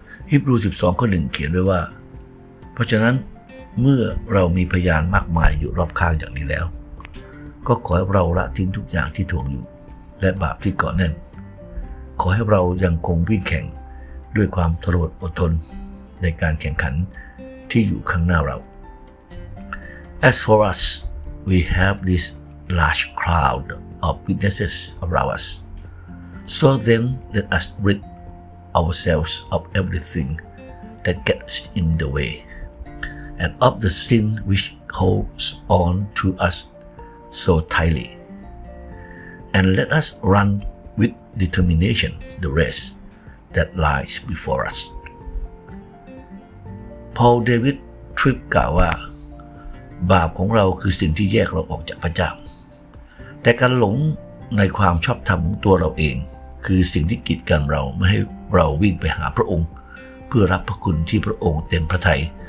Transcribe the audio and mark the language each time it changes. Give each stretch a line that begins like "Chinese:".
Thai: ฮิบรู12ข้อ1เขียนไว้ว่าเพราะฉะนั้นเมื่อเรามีพยานมากมายอยู่รอบข้างอย่างนี้แล้วก็ขอให้เราละทิ้งทุกอย่างที่ถ่วงอยู่และบาปที่เกาะแน่นขอให้เรายังคงวิ่งแข่งด้วยความทนอดทนในการแข่งขันที่อยู่ข้างหน้าเรา
English: As for us, we have this large crowd of witnesses around us. So then, let us rid ourselves of everything that gets in the way, and of the sin which holds on to us so tightly. And let us run with determination the race that lies before us.
Thai: Paul David Tripp กล่าวว่าบาปของเราคือสิ่งที่แยกเราออกจากพระเจ้าแต่การหลงในความชอบธรรมของตัวเราเองคือสิ่งที่กีดกันเราไม่ให้เราวิ่งไปหาพระองค์เพื่อรับพระคุณที่พระองค์เต็มพระทัย